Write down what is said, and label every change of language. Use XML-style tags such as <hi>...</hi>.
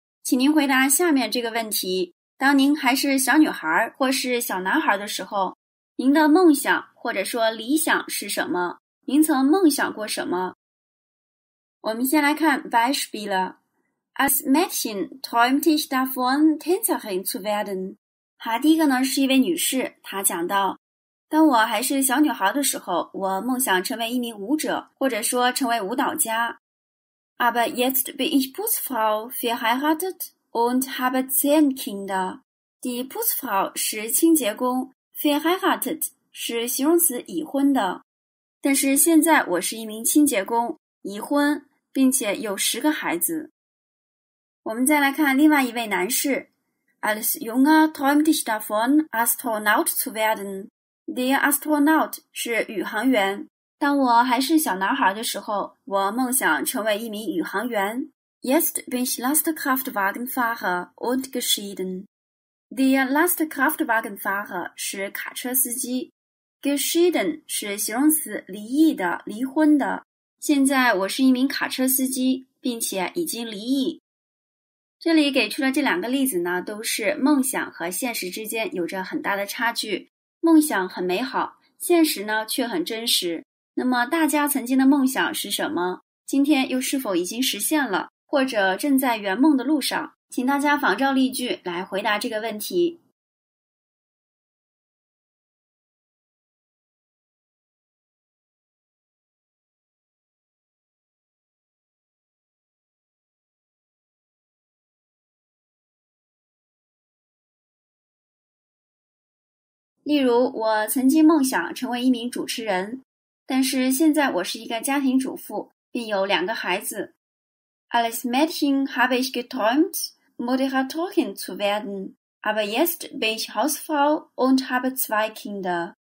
<zh>请您回答下面这个问题当您还是小女孩或是小男孩的时候您的梦想或者说理想是什么您曾梦想过什么我们先来看</zh> <de>Beispiele Als Mädchen träumte ich davon, Tänzerin zu werden.</de> <zh>好第一个呢是一位女士她讲到当我还是小女孩的时候我梦想成为一名舞者或者说成为舞蹈家。</zh> <de>Aber jetzt bin ich Putzfrau verheiratet und habe 10 Kinder.</de> <zh>Die Putzfrau 是清洁工 verheiratet 是形容词已婚的。但是现在我是一名清洁工已婚并且有十个孩子。我们再来看另外一位男士。</zh> <de>Als junger träumte ich davon, Astronaut zu werden.</de> <zh>Der Astronaut 是宇航员。当我还是小男孩的时候我梦想成为一名宇航员。</zh> <de>Jetzt bin ich Lastkraftwagenfahrer und geschieden.</de> <zh>Der Lastkraftwagenfahrer 是卡车司机。 Geschieden 是形容词离异的离婚的。现在我是一名卡车司机并且已经离异。这里给出的这两个例子呢都是梦想和现实之间有着很大的差距。梦想很美好现实呢却很真实那么大家曾经的梦想是什么今天又是否已经实现了或者正在圆梦的路上请大家仿照例句来回答这个问题例如我曾经梦想成为一名主持人但是现在我是一个家庭主妇并有两个孩子。</zh> <de>Als Mädchen habe ich geträumt, Moderatorin zu werden, aber jetzt bin ich Hausfrau und habe 2 Kinder.</de>